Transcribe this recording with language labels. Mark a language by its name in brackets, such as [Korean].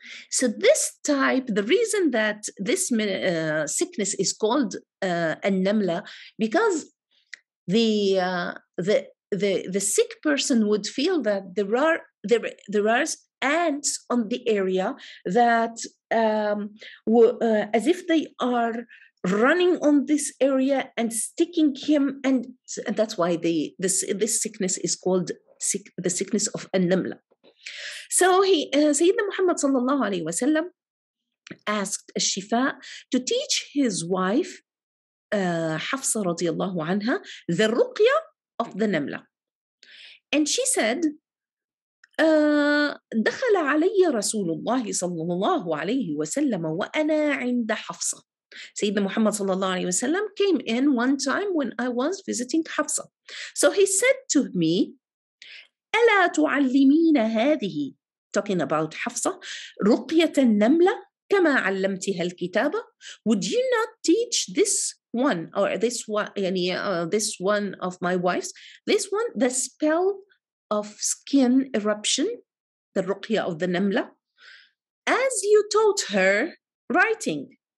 [English] So this type, the reason that this sickness is called an-namla, because the sick person would feel that there are ants on the area that as if they are running on this area and sticking him, and that's why this sickness is called the sickness of an-namla. So he, Sayyidina Muhammad sallallahu alayhi wa sallam asked Al-Shifaa to teach his wife, Hafsa radiallahu anha, the ruqya of the namla. And she said, [Arabic] دخل علي رسول الله صلى الله عليه وسلم وأنا عند حفصة. [English] Sayyidina Muhammad sallallahu alayhi wa sallam came in one time when I was visiting Hafsa. So he said to me, [Arabic] ألا تعلمين هذه, [English] talking about Hafsa, [Arabic] رقية النملة كما علمتها الكتابة, [English] would you not teach this one, or this one, يعني, this one of my wives, this one, the spell of skin eruption, the رقية of the نملة, as you taught her writing.